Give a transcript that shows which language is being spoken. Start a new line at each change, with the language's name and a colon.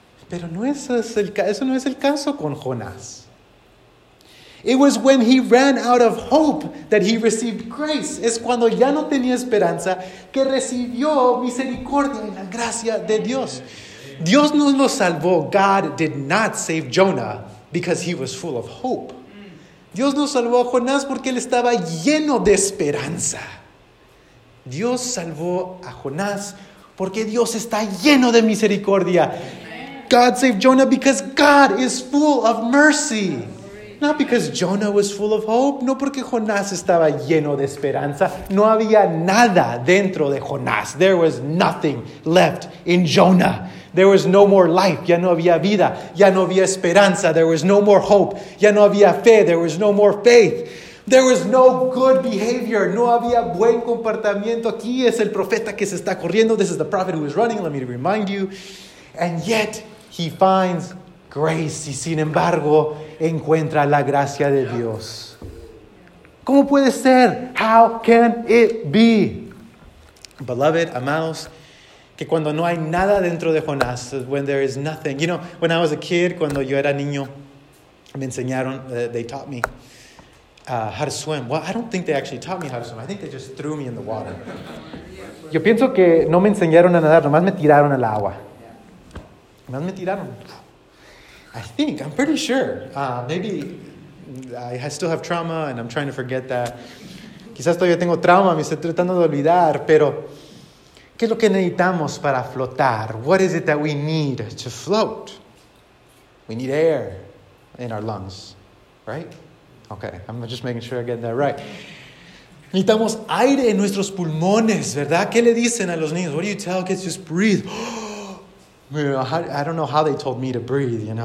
Spanish: Pero no es el, eso no es el caso con Jonás.
English: It was when he ran out of hope that he received grace.
Spanish: Es cuando ya no tenía esperanza que recibió misericordia y la gracia de Dios. Dios no lo salvó.
English: God did not save Jonah because he was full of hope.
Spanish: Dios no salvó a Jonás porque él estaba lleno de esperanza. Dios salvó a Jonás porque Dios está lleno de misericordia.
English: God saved Jonah because God is full of mercy. Not because Jonah was full of hope.
Spanish: No porque Jonás estaba lleno de esperanza. No había nada dentro de Jonás.
English: There was nothing left in Jonah. There was no more life.
Spanish: Ya no había vida. Ya no había esperanza.
English: There was no more hope.
Spanish: Ya no había fe.
English: There was no more faith. There was no good behavior.
Spanish: No había buen comportamiento. Aquí es el profeta que se está corriendo.
English: This is the prophet who is running. Let me remind you. And yet, he finds grace.
Spanish: Y sin embargo, encuentra la gracia de Dios. ¿Cómo puede ser?
English: How can it be? Beloved,
Spanish: amados, que cuando no hay nada dentro de Jonás,
English: when there is nothing. You know, when I was a kid,
Spanish: cuando yo era niño, me enseñaron,
English: they taught me how to swim. Well, I don't think they actually taught me how to swim. I think they just threw me in the water.
Spanish: Yo pienso que no me enseñaron a nadar, nomás me tiraron al agua. Nomás me tiraron.
English: I think, I'm pretty sure. Maybe I still have trauma and I'm trying to forget that.
Spanish: Quizás todavía tengo trauma, me estoy tratando de olvidar, pero ¿qué es lo que necesitamos para flotar?
English: What is it that we need to float? We need air in our lungs, right? Okay, I'm just making sure I get that right.
Spanish: Necesitamos aire en nuestros pulmones, ¿verdad? ¿Qué le dicen a los niños?
English: What do you tell kids? Just breathe. You know, I don't know how they told me to breathe, you know.